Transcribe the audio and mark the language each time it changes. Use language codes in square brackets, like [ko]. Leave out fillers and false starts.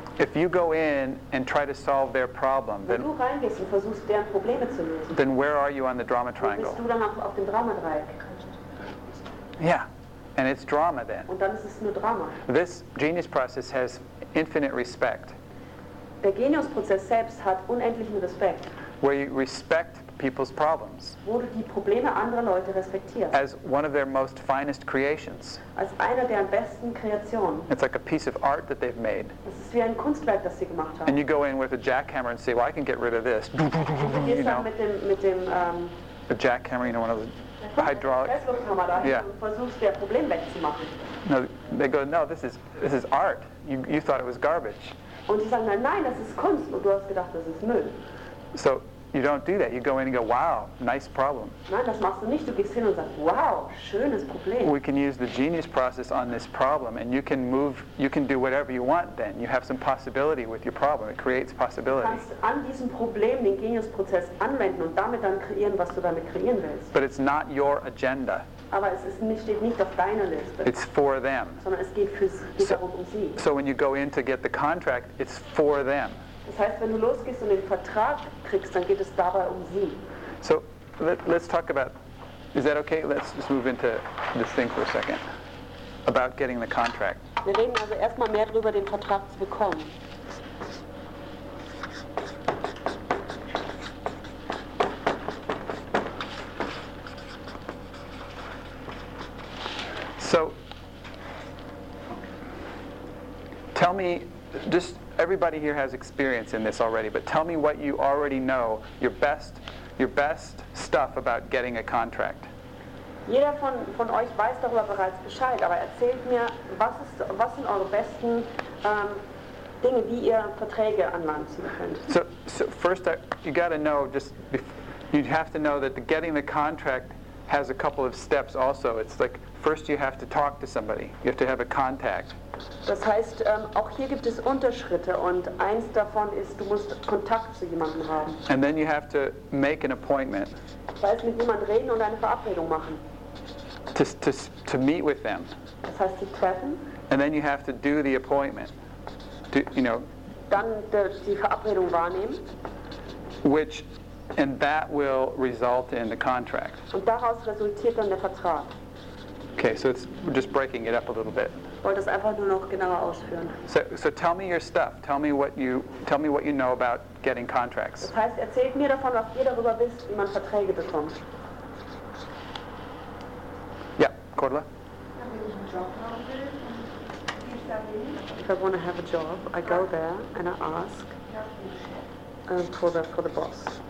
[en] If you go in and try to solve their problem, [de] wenn du reingehst und versuchst, deren Probleme zu lösen, [en] then where are you on the drama triangle? [de] Wo bist du dann auf dem Dramadreieck? [en] Yeah. And it's drama then. [de] Und dann ist es nur Drama. [en] This genius process has infinite respect. [de] Der Geniusprozess selbst hat unendlichen Respekt. [en] Where you respect people's problems. [de] Wo du die Probleme anderer Leute respektierst. [en] As one of their most finest creations. [de] Als einer deren besten Kreationen. [en] It's like a piece of art that they've made. [de] Es ist wie ein Kunstwerk, das sie gemacht haben. [en] And you go in with a jackhammer and say, well, I can get rid of this. [de] Du gehst dann mit dem [en] a jackhammer, you know, one of the hydraulic. [de] Yeah. Und versuchst, der Problem wegzumachen. [en] No, they go, no, this is art. You thought it was garbage. [de] Und sie sagen, nein, das ist Kunst. Und du hast gedacht, das ist Müll. [en] So you don't do that. You go in and go, wow, nice problem. [de] Nein, das machst du nicht. Du gehst hin und sagst, wow, schönes Problem. [en] We can use the genius process on this problem, and you can move. You can do whatever you want. Then you have some possibility with your problem. It creates possibility. [de] Du kannst an diesem Problem den Geniusprozess anwenden und damit dann kreieren, was du damit kreieren willst. [en] But it's not your agenda. [de] Aber es ist nicht, steht nicht auf deiner Liste. [en] It's for them. [de] Sondern es geht für sie, darum, um sie. [en] So when you go in to get the contract, it's for them. [de] Das heißt, wenn du losgehst und den Vertrag kriegst, dann geht es dabei um sie. [en] So let's talk about, is that okay? Let's just move into this thing for a second. About getting the contract. [de] Wir reden also erstmal mehr darüber, den Vertrag zu bekommen. [en] Tell me, just everybody here has experience in this already, but tell me what you already know, your best stuff about getting a contract. [de] Jeder von euch weiß darüber bereits Bescheid, aber erzählt mir, was sind eure besten Dinge, wie ihr Verträge anlanzen könnt. [en] So first, you got to know, you'd have to know that the getting the contract has a couple of steps also. It's like, first you have to talk to somebody, you have to have a contact. [de] Das heißt, auch hier gibt es Unterschritte und eins davon ist, du musst Kontakt zu jemandem haben. [en] And then you have to make an appointment. [de] Das heißt, mit jemandem reden und eine Verabredung machen. [en] To meet with them. [de] Das heißt, sie treffen. [en] And then you have to do the appointment. [de] Dann die Verabredung wahrnehmen. [en] Which, and that will result in the contract. [de] Und daraus resultiert dann der Vertrag. [en] Okay, so it's just breaking it up a little bit. [de] Ich wollte das einfach nur noch genauer ausführen. [en] So tell me your stuff. Tell me what you know about getting contracts. [de] Das heißt, erzählt mir davon, was ihr darüber wisst, wie man Verträge bekommt. Ja, Cordula. [en] If I want to have a job, I go there and I ask for the boss.